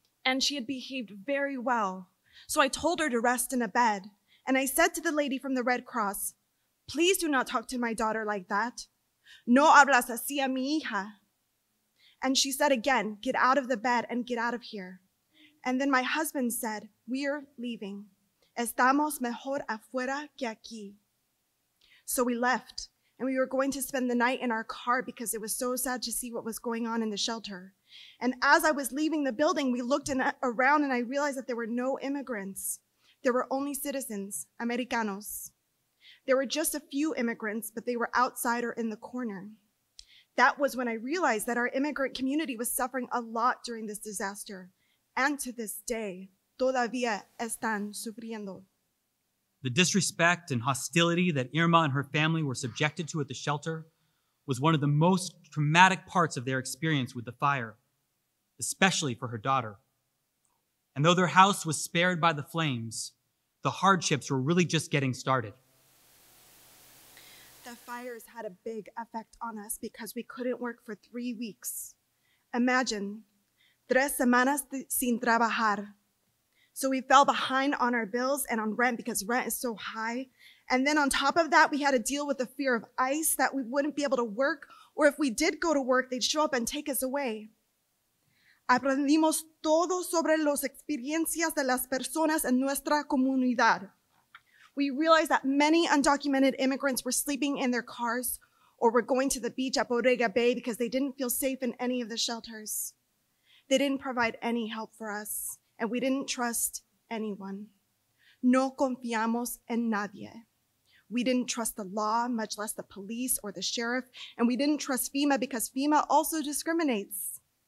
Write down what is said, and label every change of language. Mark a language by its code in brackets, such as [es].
[en] And she had behaved very well. So I told her to rest in a bed. And I said to the lady from the Red Cross, please do not talk to my daughter like that. [es] No hablas así a mi hija. [en] And she said again, get out of the bed and get out of here. And then my husband said, we're leaving. [es] Estamos mejor afuera que aquí. [en] So we left, and we were going to spend the night in our car because it was so sad to see what was going on in the shelter. And as I was leaving the building, we looked around and I realized that there were no immigrants. There were only citizens, Americanos. There were just a few immigrants, but they were outside or in the corner. That was when I realized that our immigrant community was suffering a lot during this disaster. And to this day, [es] todavía están sufriendo. [en] The disrespect and hostility that Irma and her family were subjected to at the shelter was one of the most traumatic parts of their experience with the fire, especially for her daughter. And though their house was spared by the flames, the hardships were really just getting started. The fires had a big effect on us because we couldn't work for 3 weeks. [es] Imagine, 3 semanas sin trabajar. [en] So we fell behind on our bills and on rent because rent is so high. And then on top of that, we had to deal with the fear of ICE that we wouldn't be able to work, or if we did go to work, they'd show up and take us away. [es] Aprendimos todo sobre las experiencias de las personas en nuestra comunidad. [en] We realized that many undocumented immigrants were sleeping in their cars or were going to the beach at Bodega Bay because they didn't feel safe in any of the shelters. They didn't provide any help for us, and we didn't trust anyone. [es] No confiamos en nadie. [en] We didn't trust the law, much less the police or the sheriff, and we didn't trust FEMA because FEMA also discriminates.